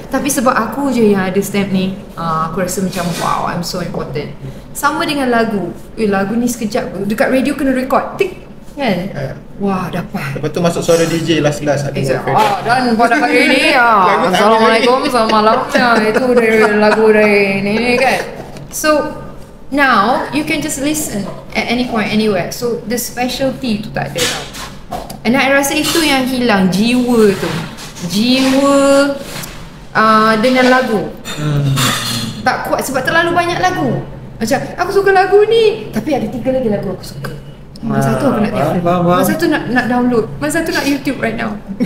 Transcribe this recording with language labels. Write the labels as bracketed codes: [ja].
[ms] Tapi sebab aku je yang ada stamp ni, aku rasa macam wow, [en] I'm so important. [ms] Sama dengan lagu. Lagu ni sekejap. Dekat radio kena record. Tik. Kan? Wah, dapat. Lepas tu masuk suara DJ last-last. Dan pada hari ni, Assalamualaikum, selamat malam. Itu dari lagu dari ni kan. [en] So, now you can just listen at any point, anywhere. So, the specialty [ms] tu tak ada tau. [en] And I [ms] rasa itu yang hilang, jiwa tu. Jiwa dengan lagu. Tak kuat sebab terlalu banyak lagu. Macam, aku suka lagu ni. Tapi ada tiga lagi lagu aku suka. Mana satu aku nak download. Mana satu nak download. Mana satu nak YouTube [en] right now.